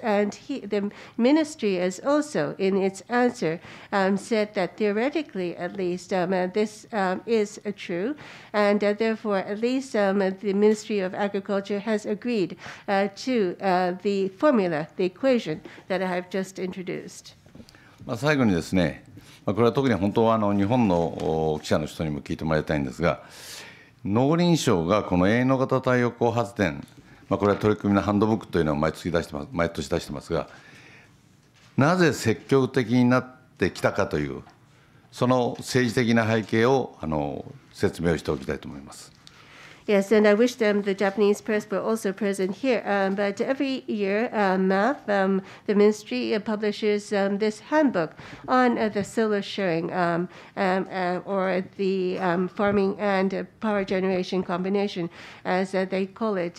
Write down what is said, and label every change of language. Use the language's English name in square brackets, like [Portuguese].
[English] And the ministry has also, in its answer, said that theoretically, at least, this is true. And therefore, at least the Ministry of Agriculture has agreed to the formula, the equation that I have just introduced. [Japanese] 最後にですね、これは特に本当は日本の記者の人にも聞いてもらいたいんですが、農林省がこの営農型太陽光発電、これは取り組みのハンドブックというのを毎年出してますが、なぜ積極的になってきたかという、その政治的な背景を説明をしておきたいと思います。 [English] Yes, and I wish them the Japanese press were also present here. But every year, MAF, the ministry, publishes this handbook on the solar sharing or the farming and power generation combination, as they call it.